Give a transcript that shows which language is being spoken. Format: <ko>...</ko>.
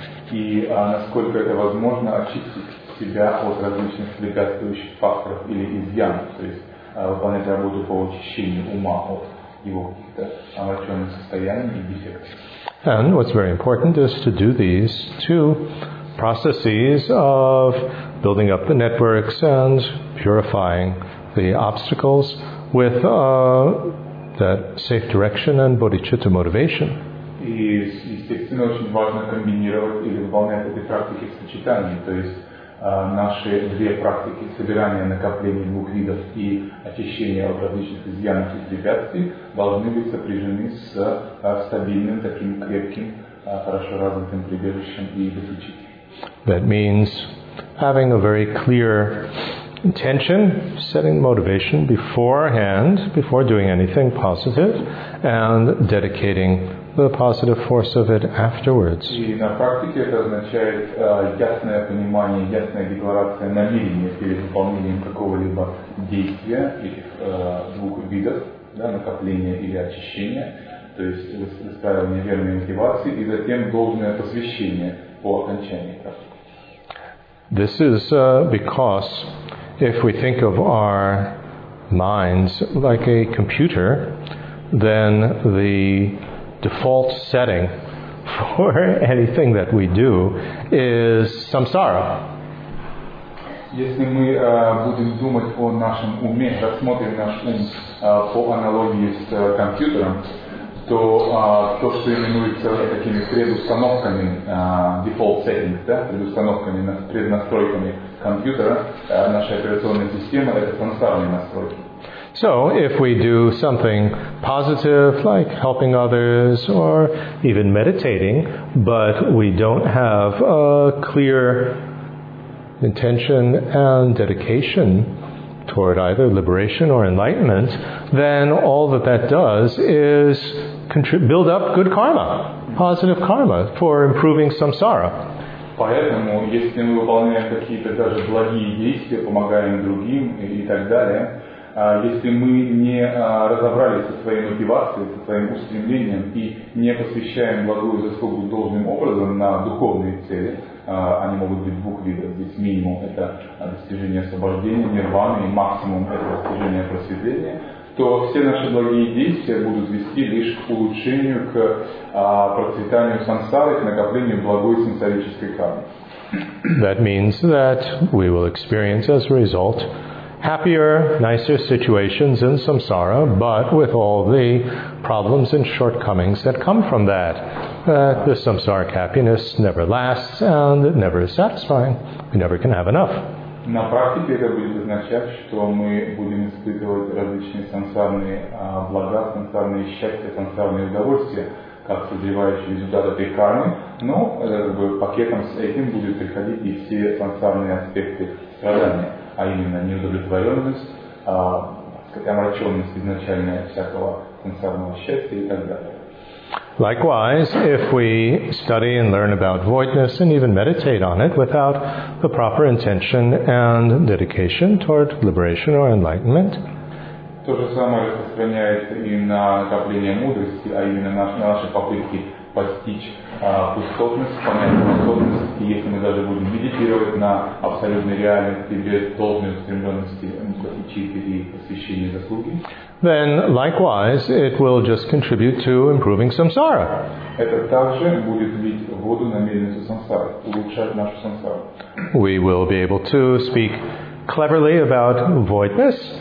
<ru>И насколько это возможно, очистить себя от различных препятствующих факторов или изъянов, то есть выполнять работу по очищению ума от его каких-то омраченных состояний и дефектов.</ru> <en>And what's very important is to do these two processes of building up the networks and purifying the obstacles with that safe direction and bodhicitta motivation.</en> <ru>И, естественно, очень важно комбинировать или выполнять эти практики в сочетании, то есть наши две практики собирания накопления двух видов и очищения от различных изъянов и препятствий должны быть сопряжены с стабильным, таким крепким, хорошо развитым прибежищем и бодхичиттой.</ru> <en>That means having a very clear intention, setting motivation beforehand, before doing anything positive, and dedicating the positive force of it afterwards.</en> <ru>И на практике это означает ясное понимание, ясная декларация намерения перед выполнением какого-либо действия этих двух видов, да, накопления или очищения, то есть выстраивание верной мотивации и затем должное посвящение по окончании практики.</ru> <en>This is because if we think of our minds like a computer, then the default setting for anything that we do is samsara.</en> <ru>Если мы будем думать о нашем уме, рассмотрим наш ум по аналогии с компьютером, то то, что именуется такими предустановками,</ru> <en>default settings,</en> <ru>да, предустановками, преднастройками компьютера, наша операционная система — это самсарные настройки.</ru> <en>So, if we do something positive, like helping others, or even meditating, but we don't have a clear intention and dedication toward either liberation or enlightenment, then all that that does is build up good karma, positive karma, for improving samsara.</en> <ru>Поэтому, если мы выполняем какие-то даже благие действия, помогаем другим и так далее, если мы не разобрались со своей мотивацией, со своим устремлением и не посвящаем благую заслугу должным образом на духовные цели, они могут быть двух видов. Здесь минимум — это достижение освобождения, нирваны, и максимум — это достижение просветления, то все наши благие действия будут вести лишь к улучшению, к процветанию сансары, к накоплению благой сансарической кармы.</ru> <en>That means that we will experience as a result happier, nicer situations in samsara, but with all the problems and shortcomings that come from that. That the samsaric happiness never lasts and it never is satisfying. We never can have enough.</en> <ru>На практике это будет означать, что мы будем испытывать различные сансарные блага, сансарные счастья, сансарные удовольствия, как созревающие результаты этой кармы, но пакетом с этим будут приходить и все сансарные аспекты страдания. А именно неудовлетворенность, омраченность изначально всякого сенсорного счастья и так далее.</ru> <en>Likewise, if we study and learn about voidness and even meditate on it without the proper intention and dedication toward liberation or enlightenment.</en> <ru>То же самое распространяется и на накопление мудрости, а именно на наши попытки постичь пустотность, понять пустотность, и если мы даже будем медитировать на абсолютной реальности без должной устремленности чистоты и посвящения заслуги,</ru> <en>then likewise it will just contribute to improving samsara.</en> <ru>Это также будет лить воду на мельницу самсары, улучшать нашу самсару.</ru> <en>We will be able to speak cleverly about voidness.</en>